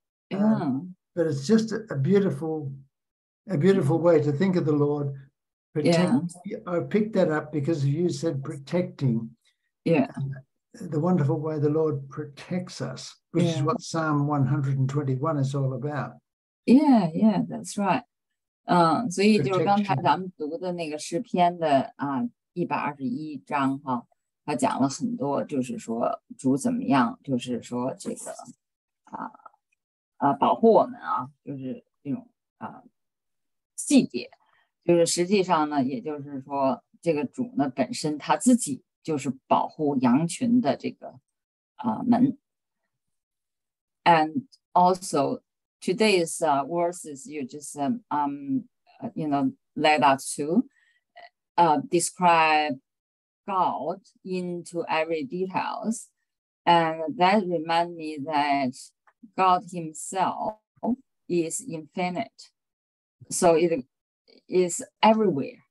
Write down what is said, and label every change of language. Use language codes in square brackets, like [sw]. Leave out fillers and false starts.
[en] But it's just a beautiful way to think of the Lord. Protect, I picked that up because you said protecting. Yeah. the wonderful way the Lord protects us, which is what Psalm 121 is all about. Yeah, yeah, that's right. [zh] 所以就是刚才咱们读的那个诗篇的121章哈，他讲了很多，就是说主怎么样，就是说这个保护我们啊，就是这种细节，就是实际上呢，也就是说这个主呢本身他自己就是保护羊群的这个门。 [en] And also today's verses you just you know led us to describe God into every details, and that reminds me that God himself is infinite, so it is everywhere.